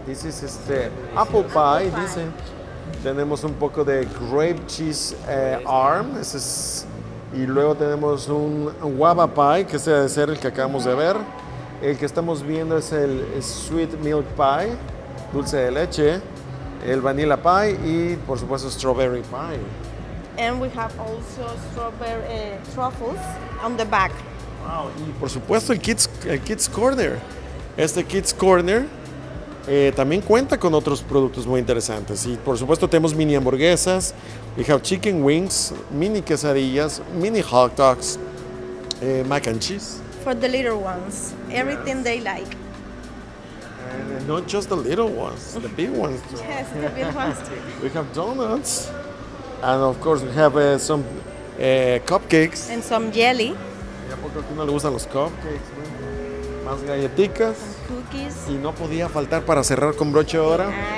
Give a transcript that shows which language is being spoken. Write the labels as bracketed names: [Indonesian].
[English] This is apple pie, dicen. [Spanish] Tenemos un poco de [English] grape cheese arm. [Spanish] Y luego tenemos un guava pie, que ese debe ser el que acabamos de ver. El que estamos viendo es el sweet milk pie, dulce de leche. El vanilla pie y, por supuesto, strawberry pie. [English] And we have also strawberry truffles on the back. [Spanish] Wow, y por supuesto, el Kids Corner. Este Kids Corner también cuenta con otros productos muy interesantes. Y, por supuesto, tenemos mini hamburguesas. [English] We have chicken wings, mini quesadillas, mini hot dogs, mac and cheese. For the little ones, everything they like. Not just the little ones, the big ones too. Yes, the big ones too. We have donuts, and of course we have some cupcakes. And some jelly. [Spanish] ¿Y a poco a ti no le gustan los cupcakes? ¿No? Más galletitas. [English] Some cookies. [Spanish] Y no podía faltar para cerrar con broche de oro.